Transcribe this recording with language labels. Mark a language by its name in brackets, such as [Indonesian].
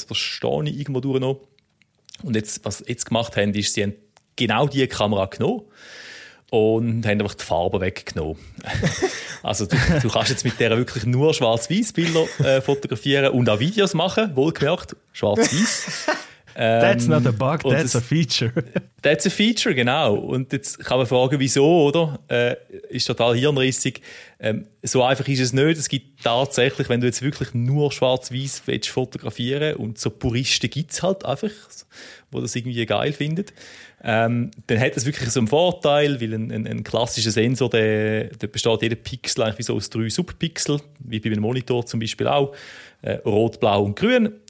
[German] Das verstehe ich irgendwo durch noch. Und jetzt, was sie jetzt gemacht haben, ist, sie haben genau diese Kamera genommen und haben einfach die Farbe weggenommen. Also du kannst jetzt mit der wirklich nur Schwarz-Weiß-Bilder fotografieren und auch Videos machen, wohlgemerkt, Schwarz-Weiß. [English] That's not a bug, that's a feature. That's a feature, genau. [German] Und jetzt kann man fragen, wieso, oder? Ist total hirnrissig. So einfach ist es nicht. Es gibt tatsächlich, wenn du jetzt wirklich nur Schwarz-Weiß willst fotografieren und so Puristen gibt es halt einfach, wo das irgendwie geil findet, dann hat das wirklich so einen Vorteil, weil ein klassischer Sensor, der besteht jeder Pixel eigentlich wie so aus 3 Subpixel, wie bei einem Monitor zum Beispiel auch, rot, blau und grün.